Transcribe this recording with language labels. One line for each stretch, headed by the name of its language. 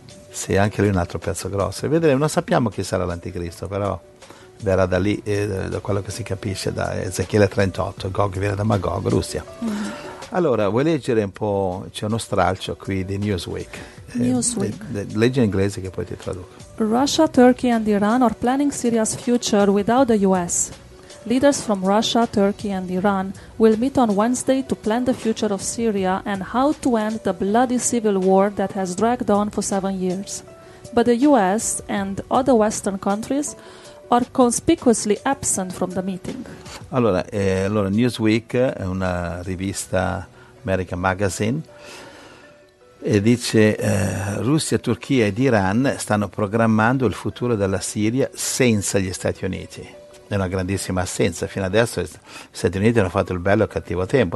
Italian: Sì, anche lui è un altro pezzo grosso. Vedremo, non sappiamo chi sarà l'anticristo, però verrà da lì, da quello che si capisce, da Ezechiele 38, Gog viene da Magog, Russia. Mm-hmm. Allora, vuoi leggere un po', c'è uno stralcio qui di Newsweek. Leggi in inglese che poi ti traduco.
English: Russia, Turkey and Iran are planning Syria's future without the US. Leaders from Russia, Turkey and Iran will meet on Wednesday to plan the future of Syria and how to end the bloody civil war that has dragged on for 7 years. But the US and other Western countries are conspicuously absent from the meeting.
Italian: Allora, allora Newsweek è una rivista, American Magazine, e dice Russia, Turchia ed Iran stanno programmando il futuro della Siria senza gli Stati Uniti. È una grandissima assenza. Fino adesso gli Stati Uniti hanno fatto il bello e il cattivo tempo.